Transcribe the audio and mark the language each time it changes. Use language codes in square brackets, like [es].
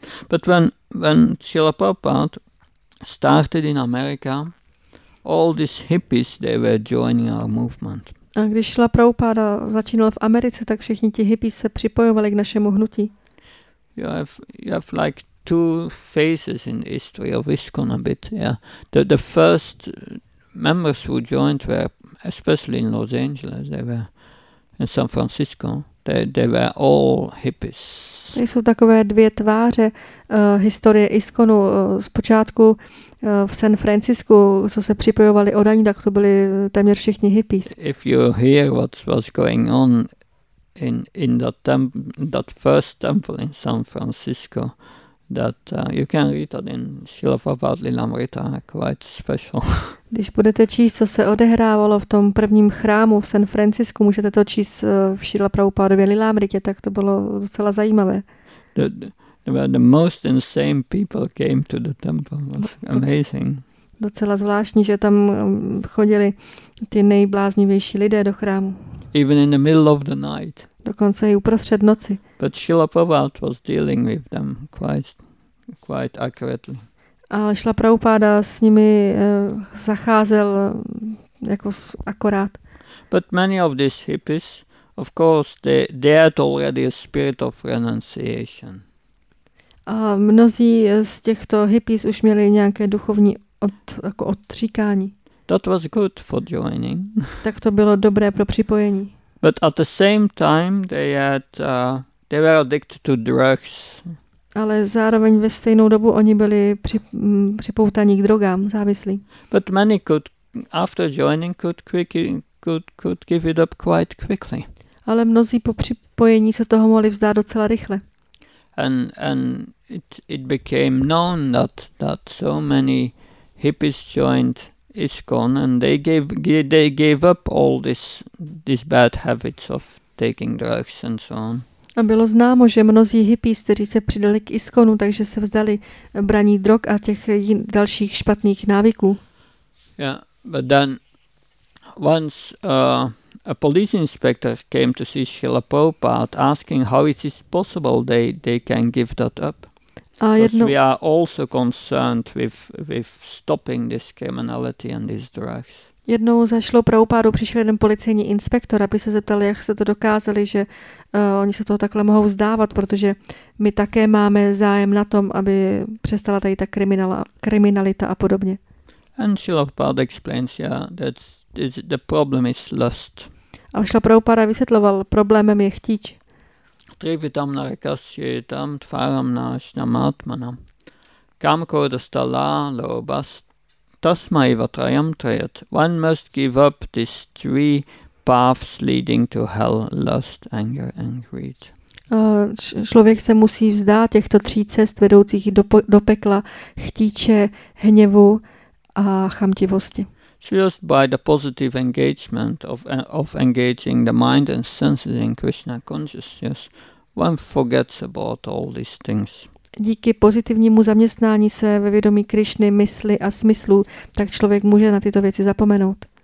[en] But when Srila Prabhupada started in America, all these hippies, they were joining our movement. [cs] A když Srila Prabhupada začínal v Americe, tak všichni ti hippies se připojovali k našemu hnutí. [en] You have like two phases in the history of ISKCON a bit, yeah. The first members who joined were, especially in Los Angeles, they were in San Francisco, they were all hippies. [cs] Jsou takové dvě tváře historie ISKCONu z počátku v San Francisco, co se připojovali o daní, tak to byli téměř všichni hippies. [en] If you hear what was going on in that first temple in San Francisco, that you can read that in Srila Prabhupada Lilamrita, quite special. [cs] Když budete číst, co se odehrávalo v tom prvním chrámu v San Francisco, můžete to číst v Srila Prabhupádově Lilamritě, tak to bylo docela zajímavé. [en] The most insane people came to the temple. It was amazing. [cs] Docela zvláštní, že tam chodili ty nejbláznivější lidé do chrámu. [en] Even in the middle of the night. [cs] Dokonce i uprostřed noci. [en] But Srila Prabhupada was dealing with them quite accurately. [cs] Ale Srila Prabhupada s nimi zacházel jako akorát. [en] But many of these hippies, of course, they had already a spirit of renunciation. [cs] A mnozí z těchto hippies už měli nějaké duchovní odříkání. [en] That was good for joining. [cs] Tak to bylo dobré pro připojení. [en] But at the same time they were addicted to drugs. [cs] Ale zároveň ve stejnou dobu oni byli připoutaní k drogám, závislí. [en] But many could after joining could give it up quite quickly. [cs] Ale mnozí po připojení se toho mohli vzdát docela rychle. [en] And it became known that so many hippies joined ISKCON and they gave up all this bad habits of taking drugs and so on. [cs] A bylo známo, že mnozí hippies, kteří se přidali k ISKCONu, takže se vzdali braní drog a těch dalších špatných návyků. [en] Yeah, but then once a police inspector came to see Srila Prabhupada asking how it is possible they can give that up. Because we are also concerned with stopping this criminality and these drugs. [cs] Jednou zašlo Prabhupádu, přišel jeden policejní inspektor, aby se zeptali, jak se to dokázali, že oni se toho takhle mohou vzdávat, protože my také máme zájem na tom, aby přestala tady ta kriminalita a podobně. [en] And Srila Prabhupada explains, yeah, that's the problem is lust. [cs] A Srila Prabhupada vysvětloval, problémem je chtíč. [sa] Trivitam narakasyetam tvaram nashnam atmanam. Kam kodastala lobas tasmai vatrayam trayat. [en] One must give up these three paths leading to hell, lust, anger and greed. [cs] Člověk se musí vzdát těchto tří cest vedoucích do pekla, chtíče, hněvu a chamtivosti. [en] Just by the positive engagement of engaging the mind and senses in Krishna consciousness, one forgets about all these things. [cs] Díky pozitivnímu zaměstnání se ve vědomí Krišny, mysli a smyslu, tak člověk může na tyto věci zapomenout.